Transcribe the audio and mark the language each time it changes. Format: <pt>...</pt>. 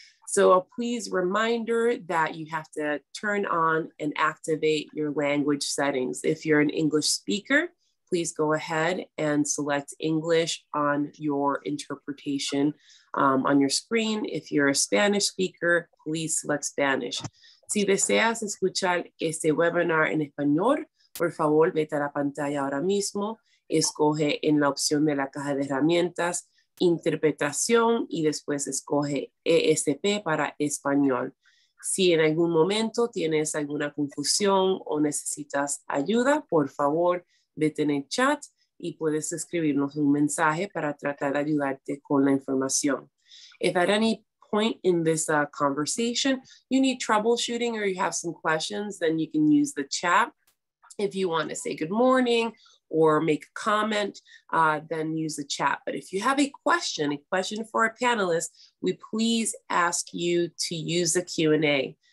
<en>So a please reminder that you have to turn on and activate your language settings. If you're an English speaker, please go ahead and select English on your interpretation on your screen. If you're a Spanish speaker, please select Spanish.</en> <es>Si deseas escuchar este webinar en español, por favor, vete a la pantalla ahora mismo. Escoge en la opción de la caja de herramientas. Interpretación y después escoge ESP para español. Si en algún momento tienes alguna confusión o necesitas ayuda, por favor, vete en el chat y puedes escribirnos un mensaje para tratar de ayudarte con la información.</es> <en>If at any point in this conversation you need troubleshooting or you have some questions, then you can use the chat. If you want to say good morning, or make a comment, then use the chat. But if you have a question for our panelists, we please ask you to use the Q&A.</en>